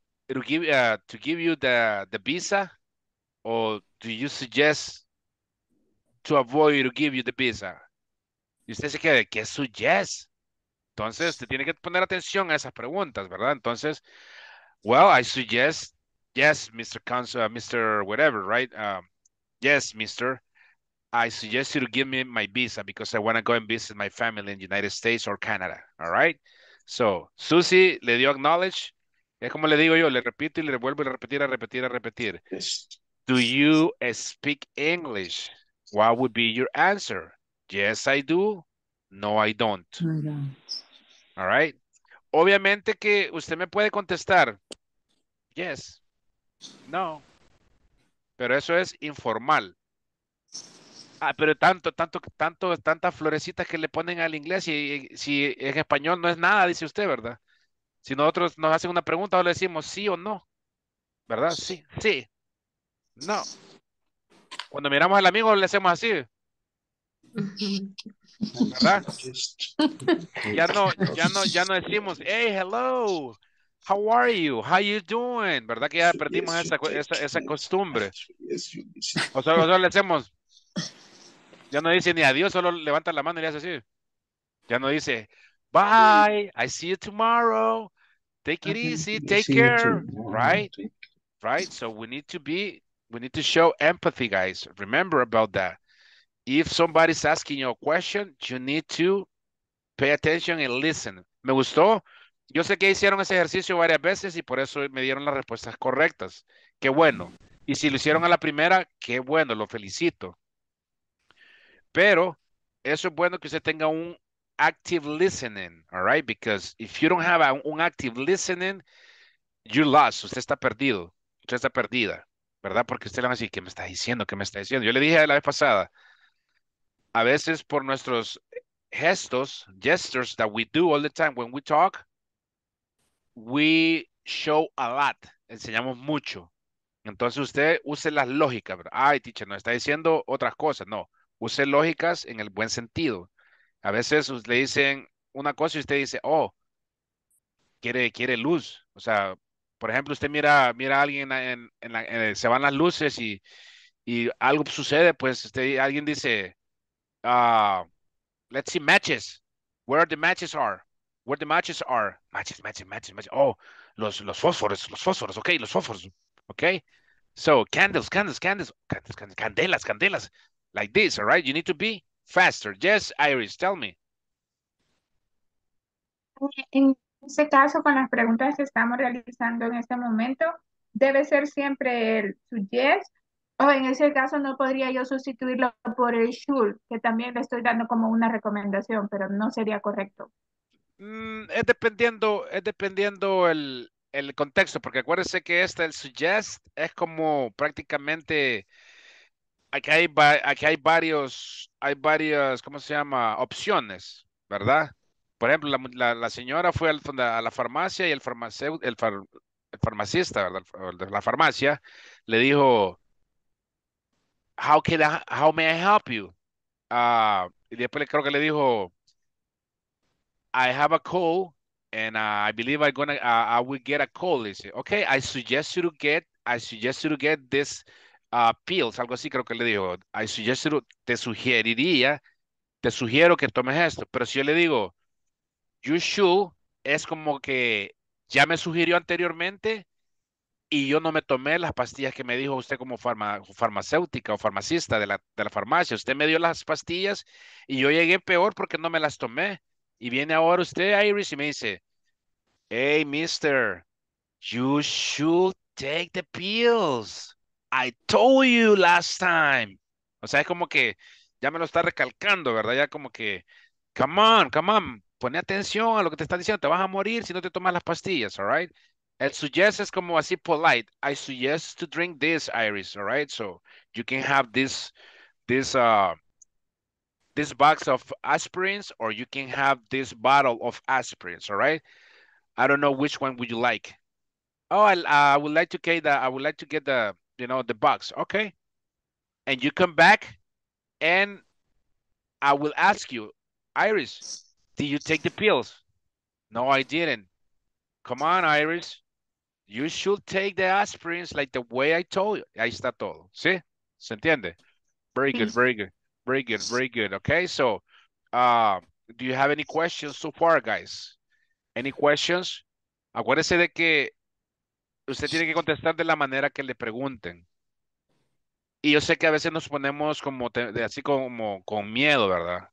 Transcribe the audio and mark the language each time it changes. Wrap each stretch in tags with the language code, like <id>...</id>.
<en>To give you the visa, or do you suggest to avoid to give you the visa?</en> <es>Y usted se queda, ¿qué suggest? Entonces, te tiene que poner atención a esas preguntas, ¿verdad? Entonces,</es> <en>well, I suggest, yes, Mr. Consul, Mr. Whatever, right? Yes, Mr. I suggest you to give me my visa because I want to go and visit my family in the United States or Canada, all right?</en> <es>So, Susie, le dio acknowledge. Es como le digo yo, le repito y le vuelvo a repetir.</es> <en>Yes. Do you speak English? What would be your answer? Yes, I do. No, I don't. No. All right.</en> <es>Obviamente que usted me puede contestar.</es> <en>Yes. No.</en> <es>Pero eso es informal. Ah, pero tantas florecitas que le ponen al inglés y si en español no es nada, dice usted, ¿verdad? Si nosotros nos hacen una pregunta, le decimos sí o no, ¿verdad? Sí, sí, no. Cuando miramos al amigo, le hacemos así, ¿verdad? Ya no decimos,</es> <en>hey, hello, how are you, how you doing,</en> <es>¿verdad? Que ya perdimos esa costumbre. O sea, nosotros le hacemos, ya no dice ni adiós, solo levanta la mano y le hace así. Ya no dice,</es> <en>bye, I see you tomorrow. Take it easy, take care, right? Right, so we need to show empathy, guys. Remember about that. If somebody's asking you a question, you need to pay attention and listen.</en> <es>Me gustó. Yo sé que hicieron ese ejercicio varias veces y por eso me dieron las respuestas correctas. Qué bueno. Y si lo hicieron a la primera, qué bueno, lo felicito. Pero eso es bueno que usted tenga un active listening,</es> <en>all right? Because if you don't have an active listening, you're lost.</en> <es>Usted está perdido. Usted está perdida, ¿verdad? Porque usted le va a decir, ¿qué me está diciendo? ¿Qué me está diciendo? Yo le dije la vez pasada, a veces por nuestros</es> <en>gestures that we do all the time when we talk, we show a lot,</en> <es>enseñamos mucho. Entonces usted use las lógicas, ¿verdad? Ay, teacher, no está diciendo otras cosas, no. Use lógicas en el buen sentido. A veces le dicen una cosa y usted dice, oh, quiere luz. O sea, por ejemplo, usted mira a alguien se van las luces y algo sucede, pues alguien dice,</es> <en>let's see matches. Where the matches are. Matches. Oh,</en> <es>los fósforos.</es> <en>Okay, los fósforos. Okay. So, candles,</en> <es>candelas,</es> <en>like this, all right? You need to be faster. Yes, Iris, tell me.</en> <es>En este caso, con las preguntas que estamos realizando en este momento, ¿debe ser siempre el yes? ¿O en ese caso no podría yo sustituirlo por el should, que también le estoy dando como una recomendación, pero no sería correcto? Es dependiendo el contexto, porque acuérdense que este, el suggest, es como prácticamente, aquí hay varias, ¿cómo se llama? Opciones, ¿verdad? Por ejemplo, la señora fue a la farmacia y el farmacista, ¿verdad? De la farmacia, le dijo,</es> <en>how may I help you?</en> <es>Y después creo que le dijo,</es> <en>I have a cold. And I will get a cold. Dice, okay, I suggest you to get this pills.</en> <es>Algo así creo que le dijo. Te sugiero que tomes esto. Pero si yo le digo,</es> <en>you should,</en> <es>es como que ya me sugirió anteriormente y yo no me tomé las pastillas que me dijo usted como farmacéutica o farmacista de la farmacia. Usted me dio las pastillas y yo llegué peor porque no me las tomé. Y viene ahora usted, Iris, y me dice,</es> <en>hey, mister, you should take the pills. I told you last time.</en> <es>O sea, es como que ya me lo está recalcando, ¿verdad? Ya como que,</es> <en>come on,</en> <es>pone atención a lo que te están diciendo. Te vas a morir si no te tomas las pastillas,</es> <en>all right?</en> <es>El suggest es como así polite.</es> <en>I suggest to drink this, Iris, all right? So you can have this box of aspirins, or you can have this bottle of aspirins, all right? I don't know which one would you like. Oh, I would like to get the box. Okay. And you come back and I will ask you, Iris, did you take the pills? No, I didn't. Come on, Iris. You should take the aspirins like the way I told you.</en> <es>Ahí está todo. ¿Sí? ¿Se entiende?</es> <en>Very good. Okay. So, do you have any questions so far, guys? Any questions?</en> <es>Acuérdese de que usted tiene que contestar de la manera que le pregunten. Y yo sé que a veces nos ponemos como con miedo, ¿verdad?</es>